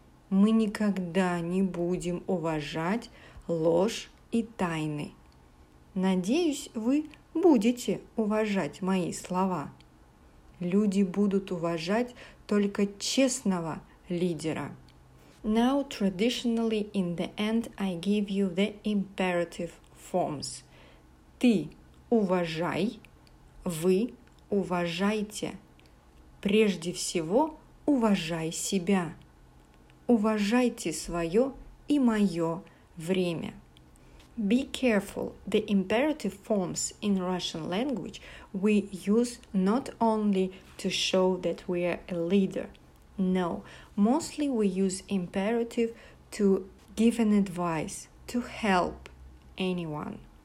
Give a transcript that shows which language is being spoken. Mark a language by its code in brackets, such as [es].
[ru] Мы никогда не будем уважать ложь и тайны. Надеюсь, вы будете уважать мои слова. Люди будут уважать только честного лидера. [en] Now, traditionally, in the end, I give you the imperative forms. [ru] Ты уважай, вы уважайте. Прежде всего, уважай себя. Уважайте свое и мое время. [en] Be careful. The imperative forms in Russian language we use not only to show that we are a leader. No, mostly we use imperative to give an advice, to help anyone.